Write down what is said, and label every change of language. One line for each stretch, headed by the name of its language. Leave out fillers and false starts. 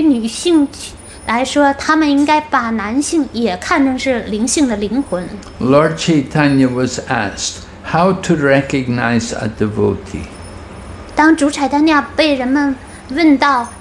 Chinese: 而对于女性来说， 他们应该把男性也看成是灵性的灵魂。
English: Lord Chaitanya was asked how to recognize a devotee.
Chinese: 当主柴丹尼亚被人们问到，